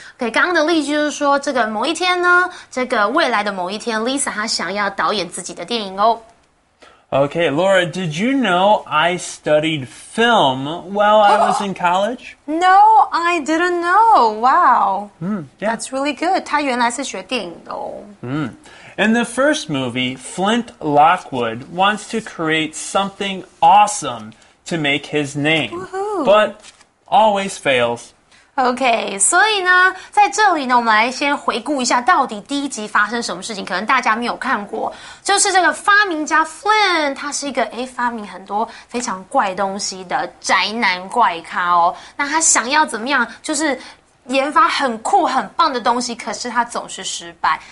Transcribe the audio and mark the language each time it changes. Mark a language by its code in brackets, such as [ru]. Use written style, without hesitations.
[zh] OK, 刚刚的例句就是说，这个某一天呢，这个未来的某一天 ，Lisa 她想要导演自己的电影哦。 [en] Okay, Laura, did you know I studied film while I was in college? No, I didn't know. Wow. Yeah. That's really good. [zh] 他原来是学电影的哦。 [en] In the first movie, Flint Lockwood wants to create something awesome to make his name, but always fails. [zh] OK, 所以呢在这里呢我们来先回顾一下到底第一集发生什么事情，可能大家没有看过。就是这个发明家 Flint, 他是一个发明很多非常怪东西的宅男怪咖哦。那他想要怎么样就是研发很酷很棒的东西，可是他总是失败。